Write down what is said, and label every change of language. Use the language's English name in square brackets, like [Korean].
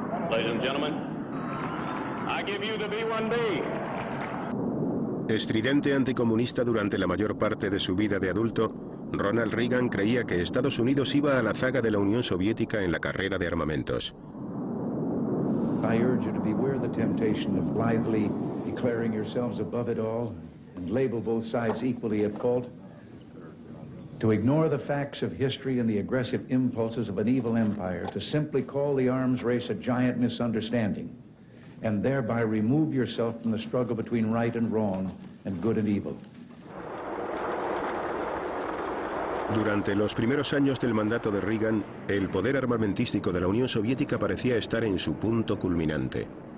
[English] Ladies and gentlemen, I give you the B-1B. [Spanish] Estridente anticomunista durante la mayor parte de su vida de adulto, Ronald Reagan creía que Estados Unidos iba a la zaga de la Unión Soviética en la carrera de armamentos. [English] I urge you to beware the temptation of blithely declaring yourselves above it all and label both sides equally at fault. To ignore the facts of history and the aggressive impulses of an evil empire, to simply call the arms race a giant misunderstanding, and thereby remove yourself from the struggle between right and wrong and good and evil. [Spanish] Durante los primeros años del mandato de Reagan, el poder armamentístico de la Unión Soviética parecía estar en su punto culminante.